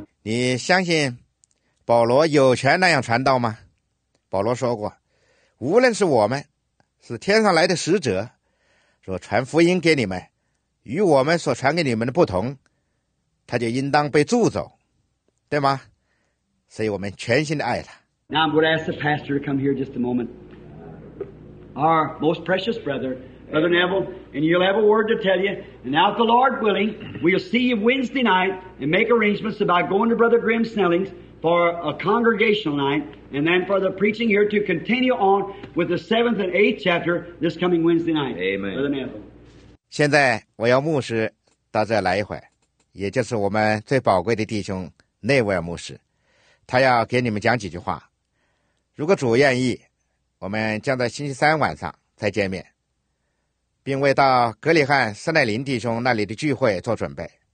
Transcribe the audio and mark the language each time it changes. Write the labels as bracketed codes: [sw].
[zh] 你相信保罗有权那样传道吗？保罗说过，无论是我们是天上来的使者所传福音给你们，与我们所传给你们的不同，他就应当被诅咒，对吗？所以我们全心的爱他。 [en] Now I'm going to ask the pastor to come here just a moment. Our most precious brother, Brother Neville, and you'll have a word to tell you. And now if the Lord willing, we'll see you Wednesday night and make arrangements about going to Brother Graham Snelling's for a congregational night. And then for the preaching here to continue on with the 7th and 8th chapter this coming Wednesday night. Amen. [zh] 现在我要牧师到这来一会，也就是我们最宝贵的弟兄内维尔牧师，他要给你们讲几句话。如果主愿意，我们将在星期三晚上再见面，并为到格里汉斯奈林弟兄那里的聚会做准备。